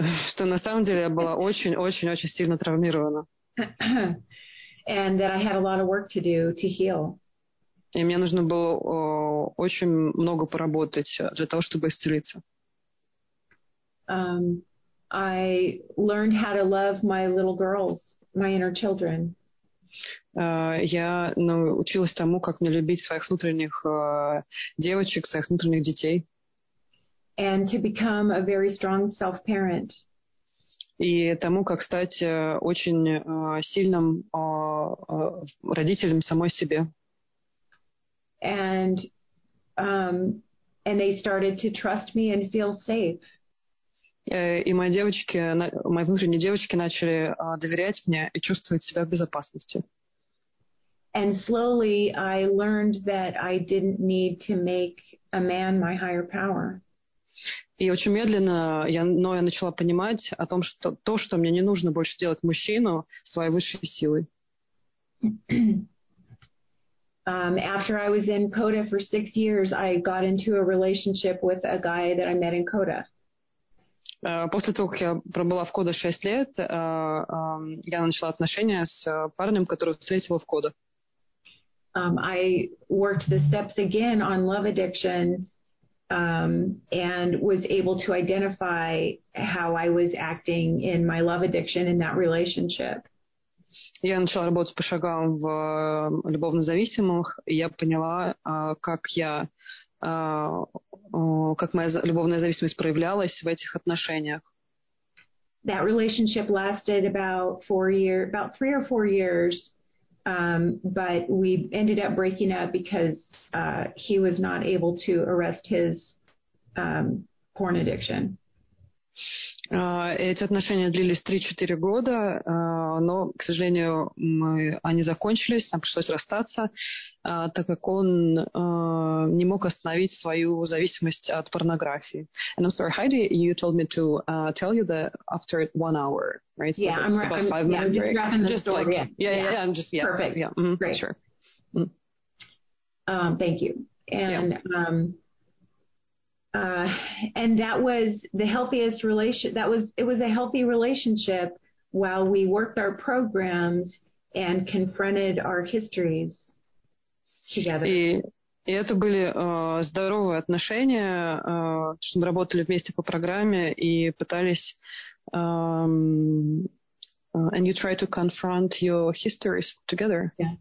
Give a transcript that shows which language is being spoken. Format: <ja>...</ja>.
<ru>Что на самом деле я была очень-очень-очень сильно травмирована.</ru> <en>And that I had a lot of work to do to heal.</en> <ru>И мне нужно было очень много поработать для того, чтобы исцелиться.</ru> <en>I learned how to love my little girls, my inner children.</en> <ru>Я училась тому, как мне любить своих внутренних девочек, своих внутренних детей.</ru> <en>And to become a very strong self-parent.</en> <ru>И тому, как стать очень сильным родителем самой себе.</ru> <en>And they started to trust me and feel safe.</en> <ru>И мои внутренние девочки начали доверять мне и чувствовать себя в безопасности.</ru> <en>And slowly I learned that I didn't need to make a man my higher power.</en> <ru>И очень медленно я начала понимать о том, что то, что мне не нужно больше делать мужчину своей высшей силой.</ru> <en>After I was in CODA for 6 years, I got into a relationship with a guy that I met in CODA.</en> <ru>После того, как я пробыла в Кодо 6 лет, я начала отношения с парнем, которого встретила в Кодо.</ru> <en>I worked the steps again on love addiction and was able to identify how I was acting in my love addiction in that relationship.</en> <ru>Я начала работать по шагам в любовно зависимых, и я поняла, как я, как моя любовная зависимость проявлялась в этих отношениях.</ru> <en>That relationship lasted about 3 or 4 years. But we ended up breaking up because he was not able to arrest his porn addiction.</en> <ru>Эти отношения длились 3-4 года, но, к сожалению, они закончились, нам пришлось расстаться, так как он не мог остановить свою зависимость от порнографии.</ru> <en>And I'm sorry, Heidi, you told me to tell you that after 1 hour, right? So yeah, I'm about 5 minutes. Yeah, break. I'm just wrapping the story. Perfect. Yeah. Mm-hmm. Great. Sure. Thank you. And yeah. And that was the healthiest relationship. It was a healthy relationship while we worked our programs and confronted our histories together.</en> <ru>И это были здоровые отношения, что мы работали вместе по программе и пытались.</ru> <en>And you try to confront your histories together.</en>